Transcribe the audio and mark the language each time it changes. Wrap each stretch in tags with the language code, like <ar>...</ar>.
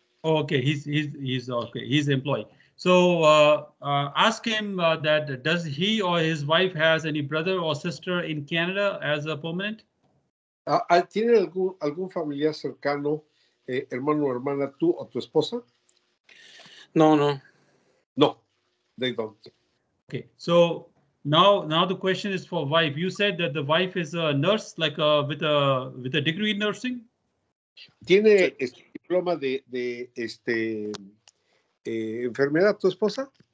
<en>Okay, he's okay. He's employed. So ask him that does he or his wife has any brother or sister in Canada as a permanent?</en> <es>¿Tiene algún familiar cercano, hermano o hermana, tú o tu esposa?</es> <en>No, they don't. Okay, so now the question is for wife. You said that the wife is a nurse, like with a degree in nursing.</en> <es>¿Tiene este diploma de este enfermedad tu esposa?</es>